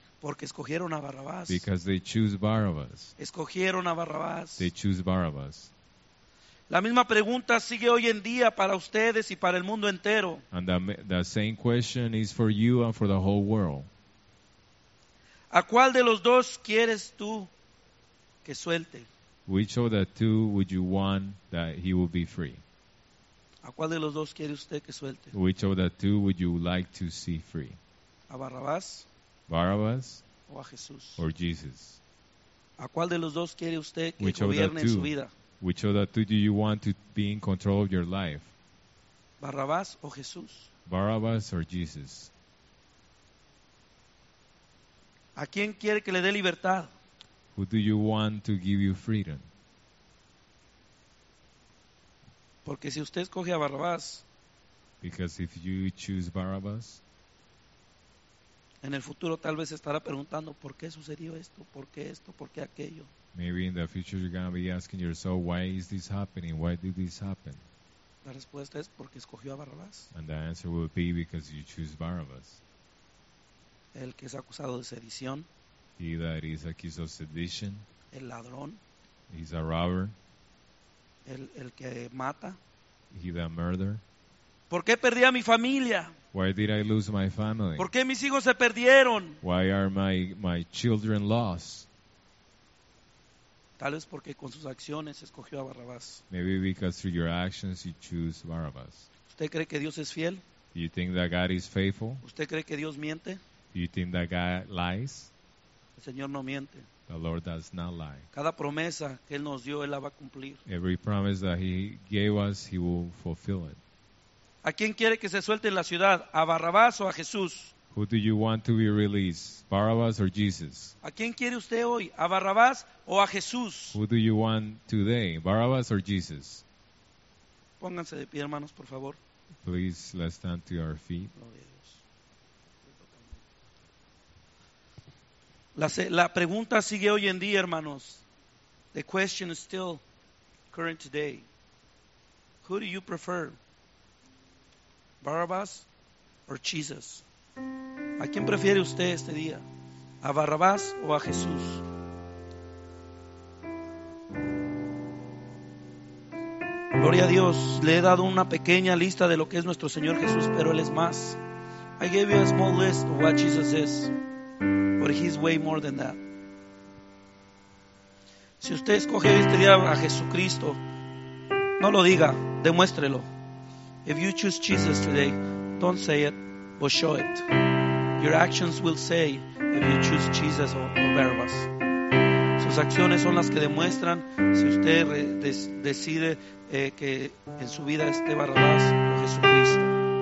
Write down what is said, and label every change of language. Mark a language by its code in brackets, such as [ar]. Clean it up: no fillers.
[es] Porque escogieron a Barrabás. [en] Because they choose Barabbas. [es] Escogieron a Barrabás. [en] They choose Barabbas. [es] La misma pregunta sigue hoy en día para ustedes y para el mundo entero. [en] And the same question is for you and for the whole world. [es] ¿A cuál de los dos quieres tú que suelte? [en] Which of the two would you want that he will be free? [es] ¿A cuál de los dos quiere usted que suelte? [en] Which of the two would you like to see free? [es] ¿A Barrabás? [en] Barabbas? [es] ¿O a Jesús? [en] Or Jesus? [es] ¿A cuál de los dos quiere usted que gobierne en su vida? [en] Which of the two do you want to be in control of your life? [es] ¿Barrabás o Jesús? [en] Barabbas or Jesus? [es] ¿A quién quiere que le dé libertad? [en] Who do you want to give you freedom? [es] Porque si usted escoge a Barrabás, [en] because if you choose Barabbas, [es] en el futuro tal vez estará preguntando ¿por qué sucedió esto? ¿Por qué esto? ¿Por qué aquello? [en] Maybe in the future you're going to be asking yourself why is this happening? Why did this happen? [es] La respuesta es porque escogió a Barrabás. [en] And the answer will be because you choose Barabbas. [es] El que es acusado de sedición. [en] He that is accused of sedition. [es] El ladrón. [en] He's a robber. [es] El que mata. [en] He that murder. [es] ¿Por qué perdí a mi familia? [en] Why did I lose my family? [es] ¿Por qué mis hijos se perdieron? [en] Why are my children lost? [es] Tal vez porque con sus acciones escogió a Barrabás. [en] Maybe because through your actions you choose Barabbas. [es] ¿Usted cree que Dios es fiel? [en] Do you think that God is faithful? [es] ¿Usted cree que Dios miente? [en] Do you think that God lies? [es] El Señor no miente. [en] The Lord does not lie. [es] Cada promesa que Él nos dio, Él la va a cumplir. [en] Every promise that He gave us, He will fulfill it. [es] ¿A quién quiere que se suelte en la ciudad? ¿A Barrabás o a Jesús? [en] Who do you want to be released? Barabbas or Jesus? [es] ¿A quién quiere usted hoy? ¿A Barrabás o a Jesús? [en] Who do you want today? Barabbas or Jesus? [es] Pónganse de pie, hermanos, por favor. [en] Please, let's stand to our feet. [es] La pregunta sigue hoy en día, hermanos. [en] The question is still current today. Who do you prefer? Barabbas or Jesus? [es] ¿A quién prefiere usted este día? ¿A Barabbas o a Jesús? Gloria a Dios. Le he dado una pequeña lista de lo que es nuestro Señor Jesús, pero Él es más. [en] I gave you a small list of what Jesus is, but He's way more than that. [es] Si usted escoge este día a Jesucristo, no lo diga, demuéstrelo. [en] If you choose Jesus today, don't say it, but show it. Your actions will say if you choose Jesus or Barabbas. [es] Sus acciones son las que demuestran si usted decide que en su vida esté Barabbas o Jesucristo.